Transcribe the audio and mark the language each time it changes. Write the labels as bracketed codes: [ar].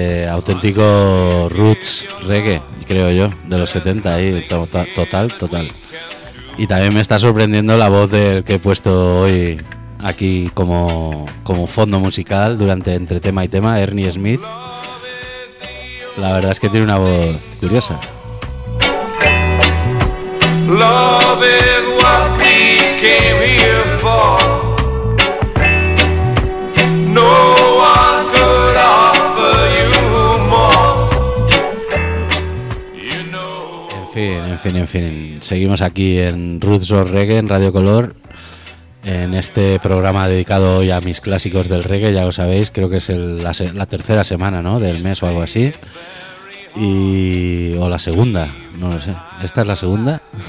[es] Auténtico roots reggae, creo yo, de los 70 ahí, total. Y también me está sorprendiendo la voz del que he puesto hoy aquí como fondo musical durante entre tema y tema, Ernie Smith. La verdad es que tiene una voz curiosa. [en] Love is what we came here for. No one could offer you more. You know. [es] En fin. Seguimos aquí en Roots of Reggae, en Radio Color, en este programa dedicado hoy a mis clásicos del reggae. Ya lo sabéis, creo que es la tercera semana, ¿no?, del mes o algo así. O la segunda, no lo sé. ¿Esta es la segunda?